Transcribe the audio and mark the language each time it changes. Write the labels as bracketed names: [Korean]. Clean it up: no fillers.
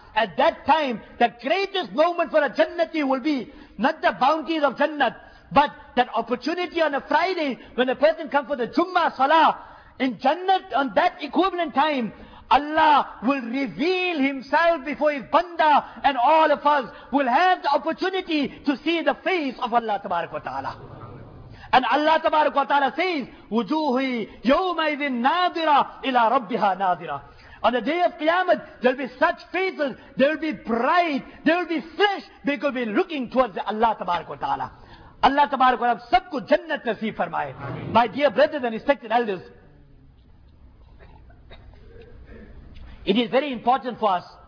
[English] at that time, the greatest moment for a Jannati will be not the bounties of Jannat, but that opportunity on a Friday when a person comes for the Jummah Salah. In Jannat, on that equivalent time, Allah will reveal Himself before His Banda, and all of us will have the opportunity to see the face of Allah Tabarak wa Ta'ala. And Allah Tabarak wa Ta'ala says, [Arabic] وُجُوهِ يَوْمَ إِذٍ نَاظِرَ إِلَىٰ رَبِّهَا نَاظِرَ. [English] On the day of Qiyamah, there will be such faces, they will be bright, they will be fresh, they will be looking towards Allah Tabarak wa Ta'ala. Allah Tabarak wa Ta'ala, [Urdu] sab ko jannat naseeb farmaye. [English] My dear brothers and respected elders, it is very important for us.